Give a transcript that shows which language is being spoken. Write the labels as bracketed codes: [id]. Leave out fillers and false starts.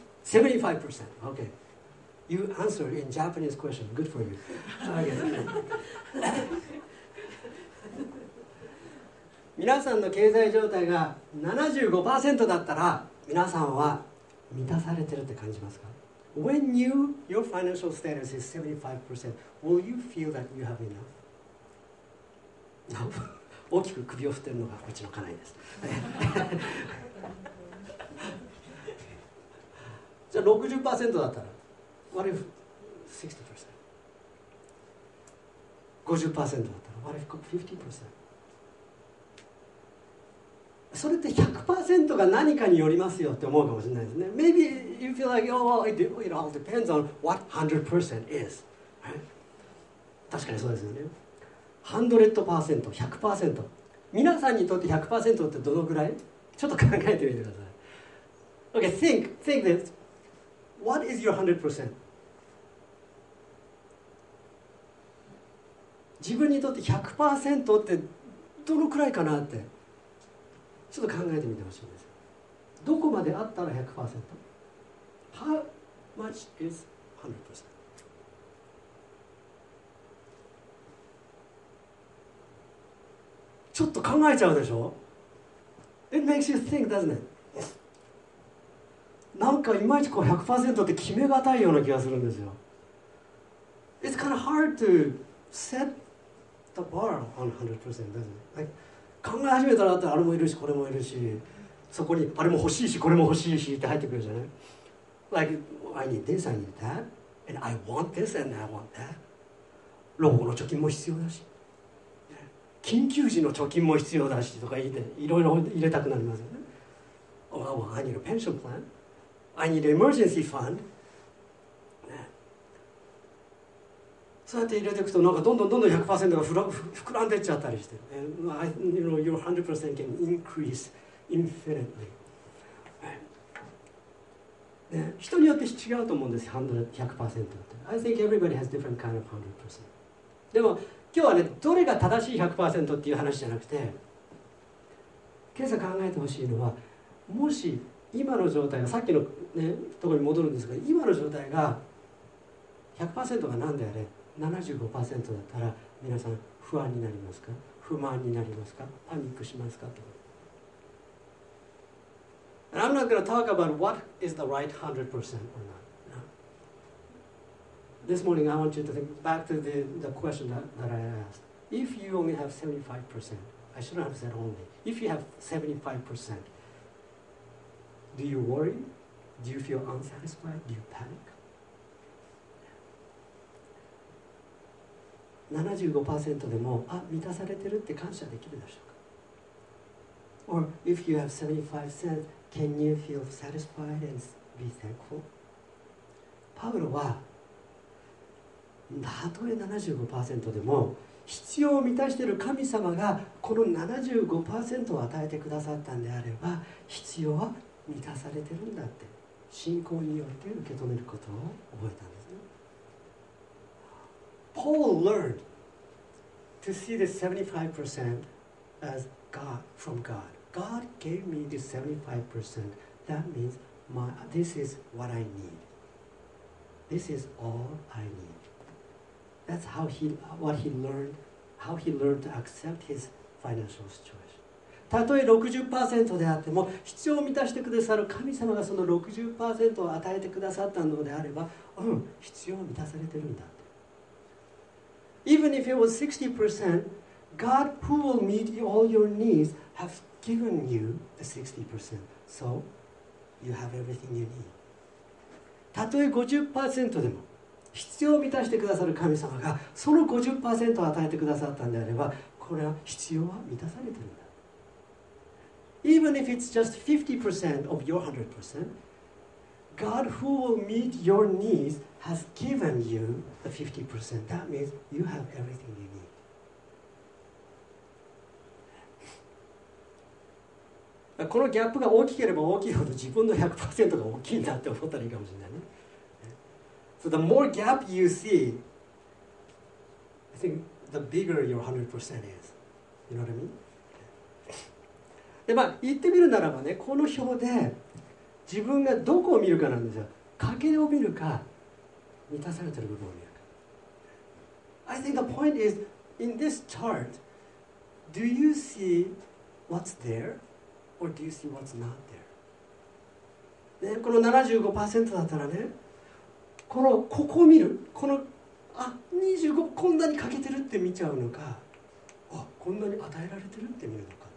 [en] 75%. OK. You answer in Japanese question. Good for you. Okay. [ja] 皆さんの経済状態が 75% だったら皆さんは満たされてるって感じますか？ [en] When you, your financial status is 75%, will you feel that you have enough? No. [ja] 大きく首を振ってるのがこっちの家内です。じゃあ 60% だったら [en] What if 60%? [ja] 50% だったら [en] What if 50%? [ja] それって 100% が何かによりますよって思うかもしれないですね。 [en] Maybe you feel like, oh, well, it all depends on what 100% is.、 Right? [ja] 確かにそうですよね。100%、100%。皆さんにとって 100% ってどのくらい？ちょっと考えてみてください。 [en] Okay, think this. What is your 100%? [ja] 自分にとって 100% ってどのくらいかなって。ちょっと考えてみてほしいんです。どこまであったら 100%? [en] How much is 100%? [ja] ちょっと考えちゃうでしょ? [en] It makes you think, doesn't it? [ja] なんかいまいちこう 100% って決めがたいような気がするんですよ。 [en] It's kind of hard to set the bar on 100%, doesn't it? Like, [ja] 考え始めたらあれもいるしこれもいるしそこにあれも欲しいしこれも欲しいしって入ってくるじゃない [en] Like, I need this, I need that and I want this and I want that [ja] 老後の貯金も必要だし緊急時の貯金も必要だしとか言っていろいろ入れたくなりますよね [en] Oh, I need a pension plan I need an emergency fund、ね、 [ja] そうやって入れていくとなんかどんどんどんどん 100% が膨らんでいっちゃったりして [en] And, you know, your 100% can increase infinitely.、 [ja] ね、人によって違うと思うんです、100% って。 [en] I think everybody has different kind of 100%. [ja] でも今日はね、どれが正しい 100% っていう話じゃなくて、今朝考えてほしいのは、もし今の状態が、さっきの、ね、ところに戻るんですが、今の状態が 100% が何であれ、75% だったら皆さん不安になりますか？不満になりますか？パニックしますか？と。 [en] And I'm not going to talk about what is the right 100% or not. This morning I want you to think back to the question that I asked. If you only have 75%, I shouldn't have said only. If you have 75%, do you worry? Do you feel unsatisfied? Do you panic? [ja] 75% でも、あ、満たされてるって感謝できるでしょうか? [en] Or if you have 75 cents, can you feel satisfied and be thankful? [ja] パウロは、たとえ 75% でも、必要を満たしている神様がこの 75% を与えてくださったんであれば、必要は満たされてるんだって、信仰によって受け止めることを覚えたんです。 [en] Paul learned to see the 75% as God, from God. God gave me the 75%. That means this is what I need. This is all I need. That's how he learned to accept his financial situation. [ja] たとえ 60% であっても、必要を満たしてくださる神様がその 60% を与えてくださったのであれば、うん、必要を満たされてるんだ。 [en] Even if it was 60%, God who will meet all your needs has given you the 60%. So, you have everything you need. [ja] たとえ 50% でも、必要を満たしてくださる神様がその 50% を与えてくださったんであれば、これは必要は満たされてるんだ。 [en] Even if it's just 50% of your 100%, God who will meet your needs has given you the 50%. That means you have everything you need. [ja] このギャップが大きければ大きいほど自分の 100% が大きいんだって思ったらいいかもしれないね。 [en] So the more gap you see, I think the bigger your 100% is. You know what I mean? [ja] で、まあ、言ってみるならばね、この表で自分がどこを見るかなんですよ。欠けを見るか、満たされてる部分を見るか。 [en] I think the point is, in this chart, do you see what's there? Or do you see what's not there? [ja] ね、この 75% だったらね、このここを見る、このあ25こんなに欠けてるって見ちゃうのか、あこんなに与えられてるって見るのか。